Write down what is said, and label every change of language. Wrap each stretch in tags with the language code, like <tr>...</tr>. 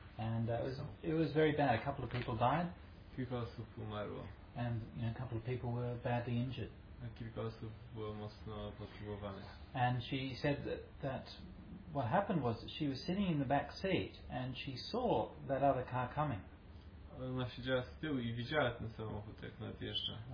<en>And it was very bad. A couple of people died.</en> <pl>Kilka osób umarło.</pl> <en>And a couple of people were badly injured.</en> <pl>A kilka osób było mocno poszkodowanych.</pl> <en>And she said that what happened was that she was sitting in the back seat and she saw that other car coming.</en> <pl>Ona siedziała z tyłu i widziała ten samochód, jak nadjeżdża.</pl>